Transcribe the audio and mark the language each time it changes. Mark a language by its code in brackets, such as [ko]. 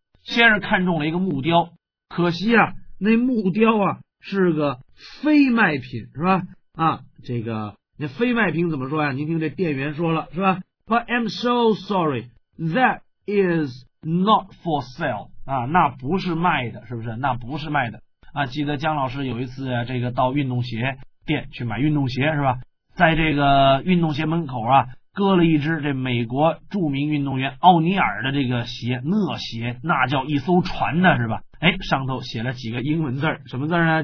[zh] 先是看中了一个木雕，可惜啊，那木雕啊是个非卖品，是吧？啊，这个那非卖品怎么说呀？您听这店员说了，是吧？ [en] But I'm so sorry, that is not for sale. [zh] 啊，那不是卖的，是不是？那不是卖的啊。记得江老师有一次啊，这个到运动鞋店去买运动鞋，是吧？在这个运动鞋门口啊，搁了一只这美国著名运动员奥尼尔的这个鞋，那鞋那叫一艘船呢，是吧？哎，上头写了几个英文字，什么字呢？